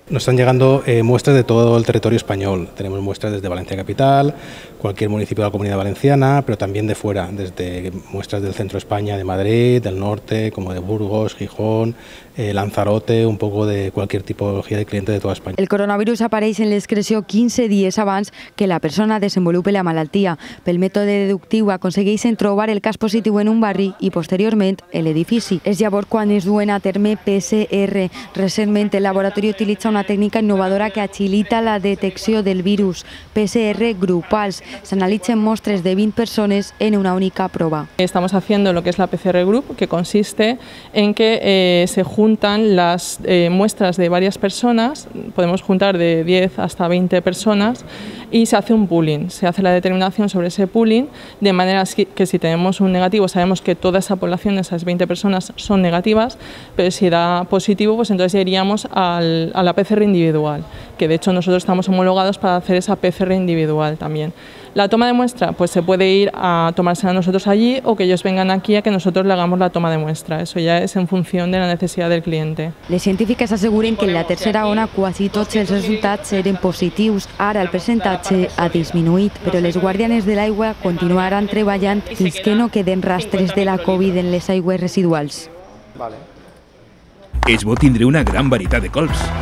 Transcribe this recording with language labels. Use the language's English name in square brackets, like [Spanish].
[Spanish] Nos están llegando muestras de todo el territorio español. Tenemos muestras desde Valencia capital, cualquier municipio de la Comunidad Valenciana, pero también de fuera, desde muestras del centro de España, de Madrid, del norte, como de Burgos, Gijón, Lanzarote, un poco de cualquier tipología de cliente de toda España. [Catalan] El coronavirus apareix en l'excreció 15 dies abans que la persona desenvolupe la malaltia. Pel mètode deductiu aconsegueixen trobar el cas positiu en un barri i posteriorment en l'edifici. És llavors quan es duen a terme PCR. Recentment el laboratori utilitza una tècnica innovadora que agilita la detecció del virus. PCR grupals. S'analitzen mostres de 20 persones en una única prova. [Spanish] Estamos haciendo lo que es la PCR group, que consiste en que se juntan las muestras de varias personas, podemos juntar de 10 hasta 20 personas, y se hace un pooling, se hace la determinación sobre ese pooling, de manera que si tenemos un negativo sabemos que toda esa población, esas 20 personas, son negativas, pero si da positivo, pues entonces ya iríamos a la PCR individual, que de hecho nosotros estamos homologados para hacer esa PCR individual también. La toma de muestra, pues se puede ir a tomársela a nosotros allí o que ellos vengan aquí a que nosotros le hagamos la toma de muestra. Eso ya es en función de la necesidad del cliente. [Catalan] Les científiques aseguren que en la tercera ona quasi tots els resultats eren positius. Ara el percentatge ha disminuït, però les guardianes de l'aigua continuaran treballant fins que no queden rastres de la Covid en les aigües residuals. És bo tindre una gran varietat de colps.